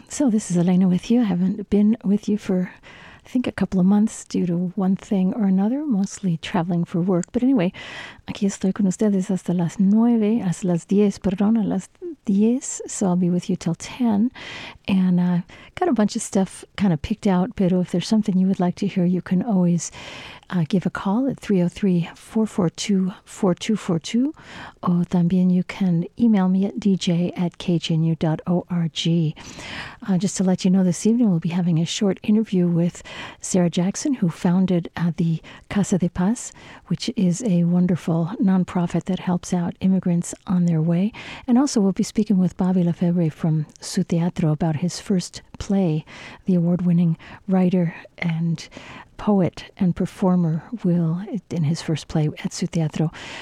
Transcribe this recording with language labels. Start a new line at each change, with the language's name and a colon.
English: So this is Elena with you. I haven't been with you for, I think, a couple of months due to one thing or another, mostly traveling for work. But anyway,
Spanish: aquí estoy con ustedes hasta las nueve, hasta las diez, perdón, a las diez.
English: So I'll be with you till 10. And I got a bunch of stuff kind of picked out, pero if there's something you would like to hear, you can always give a call at 303-442-4242.
Spanish: O también
English: you can email me at dj@kgnu.org. Just to let you know, this evening we'll be having a short interview with Sarah Jackson, who founded the Casa de Paz, which is a wonderful nonprofit that helps out immigrants on their way. And also we'll be speaking with Bobby Lefebvre from Su Teatro about his first play, the award-winning writer and poet and performer Will, in his first play at Su Teatro.